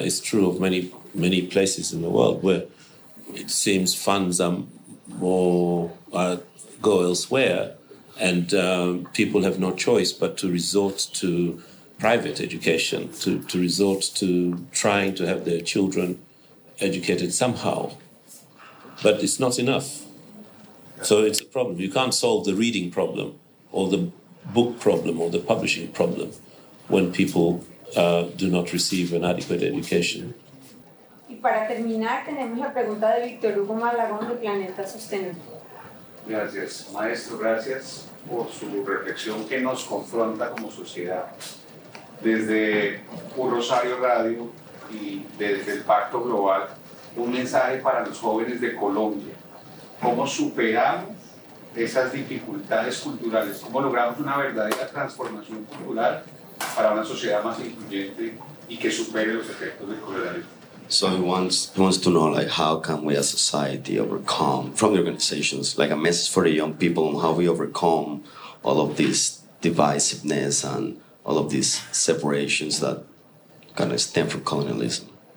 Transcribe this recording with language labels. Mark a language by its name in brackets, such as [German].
[English] It's true of many, many places in the world where it seems funds are more go elsewhere, and people have no choice but to resort to private education, to resort to trying to have their children educated somehow. But it's not enough. So it's a problem. You can't solve the reading problem or the book problem or the publishing problem when people do not receive an adequate education. [Spanish] Y para terminar, tenemos la pregunta de Víctor Hugo Malagón de Planeta Sostenible. Gracias. Maestro, gracias por su reflexión que nos confronta como sociedad. Desde Un Rosario Radio y desde el Pacto Global, un mensaje para los jóvenes de Colombia. ¿Cómo superamos esas dificultades culturales? ¿Cómo logramos una verdadera transformación cultural para una sociedad más incluyente y que supere los efectos del colonialismo? [English] So he wants to know, like, how can we as society overcome, from the organizations, like a message for the young people on how we overcome all of this divisiveness and all of these separations that kind of stem from colonialism.